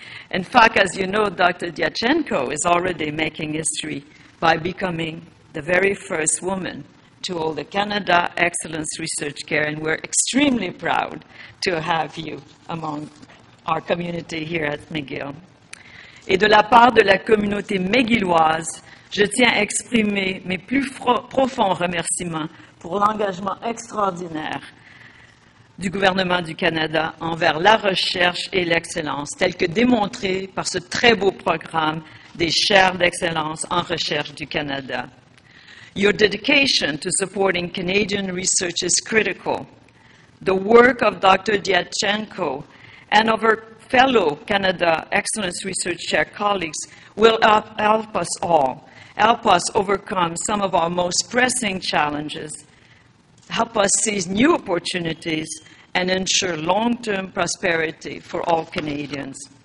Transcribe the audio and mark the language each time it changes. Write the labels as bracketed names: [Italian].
[English] In fact, as you know, Dr. Diachenko is already making history by becoming the very first woman to hold the Canada Excellence Research Chair, and we're extremely proud to have you among our community here at McGill. [French] Et de la part de la communauté McGilloise, je tiens à exprimer mes plus profonds remerciements pour l'engagement extraordinaire du gouvernement du Canada envers la recherche et l'excellence, tel que démontré par ce très beau programme des chaires d'excellence en recherche du Canada. [English] Your dedication to supporting Canadian research is critical. The work of Dr. Diachenko and of her fellow Canada Excellence Research Chair colleagues will help us all, help us overcome some of our most pressing challenges, help us seize new opportunities, and ensure long-term prosperity for all Canadians.